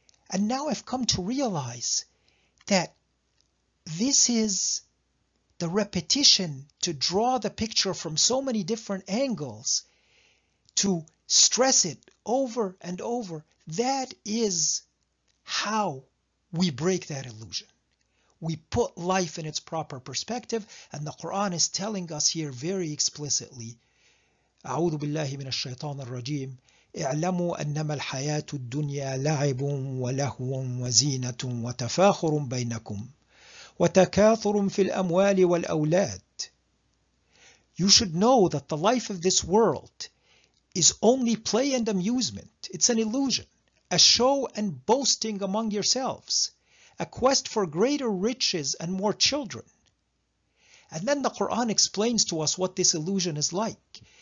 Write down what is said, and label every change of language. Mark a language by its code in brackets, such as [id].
[en] And now I've come to realize that this is the repetition to draw the picture from so many different angles, to stress it over and over, that is how we break that illusion. We put life in its proper perspective, and the Quran is telling us here very explicitly, [ar] أعوذ بالله من الشيطان الرجيم اعلموا أنما الحياة الدنيا لعب ولهو وزينة وتفاخر بينكم وتكاثر في الأموال والأولاد. [en] You should know that the life of this world is only play and amusement. It's an illusion, a show and boasting among yourselves, a quest for greater riches and more children. And then the Quran explains to us what this illusion is like.